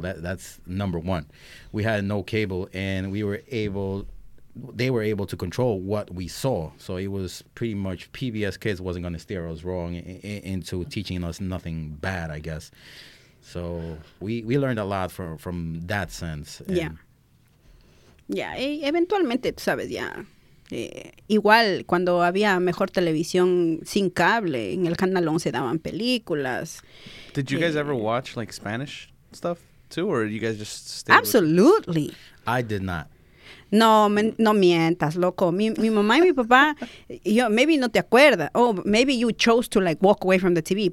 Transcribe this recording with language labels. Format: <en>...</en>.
<en>That's number one. We had no cable and they were able to control what we saw. So it was pretty much PBS Kids wasn't going to steer us wrong into teaching us nothing bad, I guess. So we learned a lot from that sense.</en> <es>Yeah, eventualmente, tú sabes, ya. Igual, cuando había mejor televisión sin cable, en el Canal 11 daban películas.</es> <en>Did you guys ever watch, like, Spanish stuff, too? Or you guys just stayed? Absolutely. I did not.</en> <es>No, no mientas, loco. Mi mamá y mi papá, yo, maybe no te acuerdas.</es> <en>Oh, maybe you chose to, like, walk away from the TV.</en>